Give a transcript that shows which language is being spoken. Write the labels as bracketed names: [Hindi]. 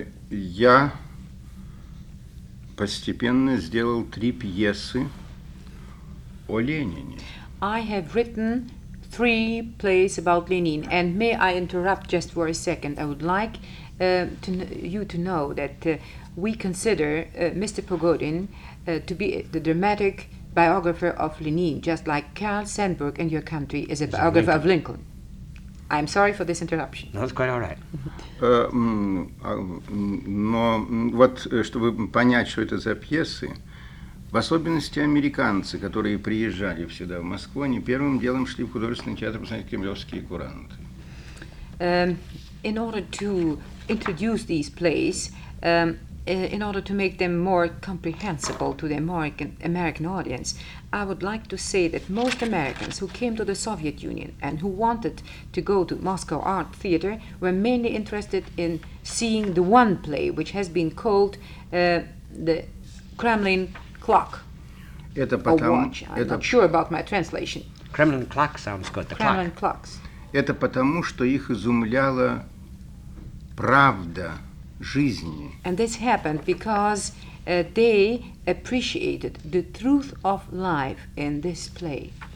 [Russian] Я постепенно сделал три пьесы о Ленине. [English] I have written three plays about Lenin. And may I interrupt just for a second? I would like to know that we consider Mr. Pogodin to be the dramatic biographer of Lenin, just like Carl Sandburg in your country is a biographer of Lincoln. I'm sorry for this interruption. No, it's quite all right. [Russian] Но вот, чтобы понять, что это за пьесы, в особенности американцы, которые приезжали сюда, в Москву, они первым делом шли в художественный театр посмотреть кремлевские куранты. [English] In order to introduce these plays, in order to make them more comprehensible to the American audience, I would like to say that most Americans who came to the Soviet Union and who wanted to go to Moscow Art Theater were mainly interested in seeing the one play, which has been called the Kremlin Clock. I'm not sure about my translation. Kremlin Clock sounds good. Kremlin clocks. [Russian] Это потому, что их изумляло правда жизни. [English] And this happened because they appreciated the truth of life in this play.